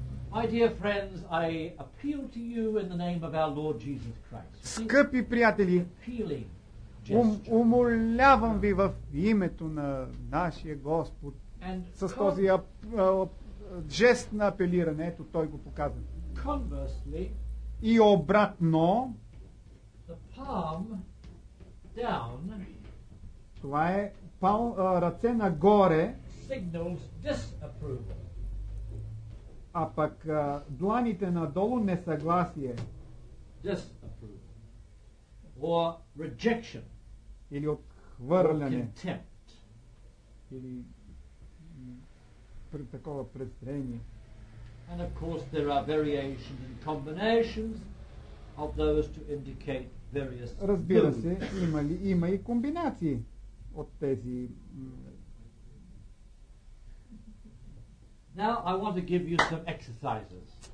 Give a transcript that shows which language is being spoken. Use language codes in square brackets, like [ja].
[en] My dear friends, I appeal to you in the name of our Lord Jesus Christ. [bg] Скъпи приятели, [en] appealing. [bg] Умолявам ви в името на нашия Господ с този жест на апелиране, ето той го показва. [en] Conversely, [bg] и обратно, [en] the palm down, [bg] това е ръце нагоре, [en] signals disapproval. [bg] А пък дланите надолу несъгласие. [en] Disapproval. Or rejection. [bg] Или отхвърляне. [en] Or contempt. [bg] Или такова презрение. [en] And of course there are variations and combinations of those to indicate various moods. [bg] Разбира се, има и комбинации от тези. [en] Now I want to give you some exercises.